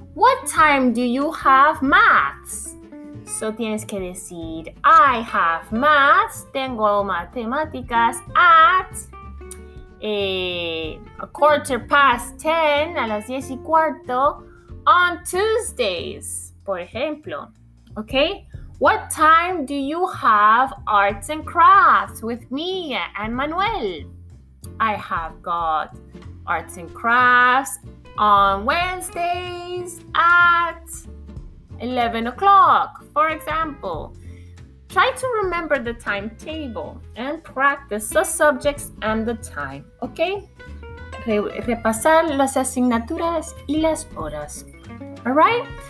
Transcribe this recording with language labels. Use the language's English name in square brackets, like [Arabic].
[English] What time do you have maths? So [Spanish] tienes que decir, [English] I have maths. [Spanish] Tengo matemáticas [English] at a quarter past 10, [Spanish] a las 10 y cuarto, [English] on Tuesdays, [Spanish] por ejemplo. [English] Okay? What time do you have arts and crafts with me and Manuel? I have got arts and crafts on Wednesdays at 11 o'clock, for example. Try to remember the timetable and practice the subjects and the time, okay? [Spanish] Repasar las asignaturas y las horas, [English] all right?